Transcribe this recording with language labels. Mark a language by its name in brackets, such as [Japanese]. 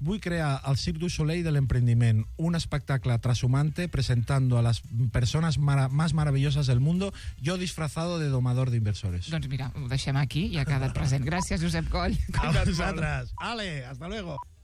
[Catalan] Vull crear el Cirque du Soleil de l'emprendiment, [Spanish] un espectacle trashumante presentando a las personas más maravillosas del mundo, yo disfrazado de domador de inversores. [Catalan] Doncs mira, ho deixem aquí i ha quedat present. Gràcies, Josep Coll. A vosaltres. Ale, [Spanish] hasta luego.